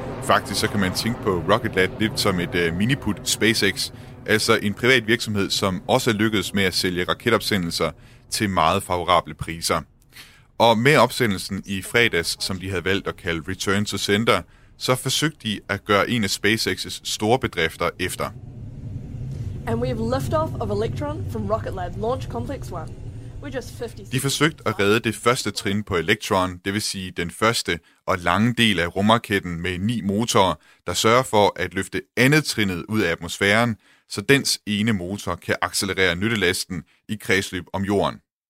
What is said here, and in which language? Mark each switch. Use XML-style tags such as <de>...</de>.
<da>Faktisk så kan man tænke på Rocket Lab lidt som et miniput SpaceX, altså en privat virksomhed, som også er lykkedes med at sælge raketopsendelser til meget favorable priser. Og med opsendelsen i fredags, som de havde valgt at kalde Return to Sender, så forsøgte de at gøre en af SpaceX's store bedrifter efter.</da> <en>And we have liftoff of Electron from Rocket Lab Launch Complex 1. We're just 50.</en> <da>De forsøgte at redde det første trin på Electron, det vil sige den første og lange del af rumraketten med 9 motorer, der sørger for at løfte andet trinet ud af atmosfæren, så dens ene motor kan accelerere nyttelasten i kredsløb om jorden.</da>